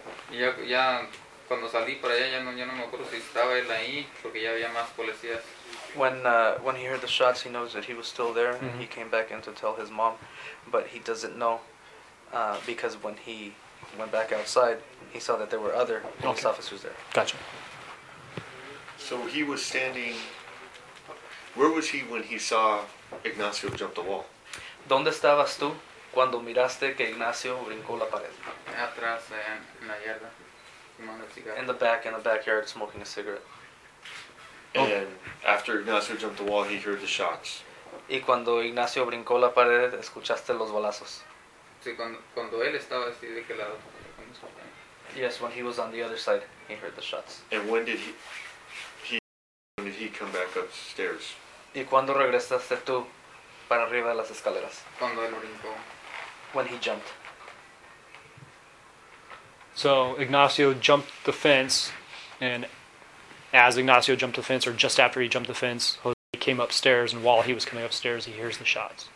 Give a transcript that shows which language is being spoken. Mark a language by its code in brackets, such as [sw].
[es] Y ya cuando salí para allá, ya no me acuerdo si estaba él ahí porque ya había más policías. [en] When he heard the shots, he knows that he was still there, mm-hmm. And he came back in to tell his mom, but he doesn't know, because when he went back outside, he saw that there were other police officers there. Gotcha. So he was standing, where was he when he saw Ignacio jump the wall? [es] ¿Dónde estabas tú cuando miraste que Ignacio brincó la pared? Atrás, en la yarda, fumando el cigarro. [en] In the backyard, smoking a cigarette. And after Ignacio jumped the wall, he heard the shots. [es] Y cuando Ignacio brincó la pared, escuchaste los balazos. Sí, cuando él estaba así de aquel lado. [en] Yes, when he was on the other side, he heard the shots. And when did he come back upstairs? [es] ¿Y cuándo regresaste tú para arriba de las escaleras? Cuando él brincó. [en] When he jumped. So Ignacio jumped the fence, and as Ignacio jumped the fence, or just after he jumped the fence, Jose came upstairs, and while he was coming upstairs, he hears the shots.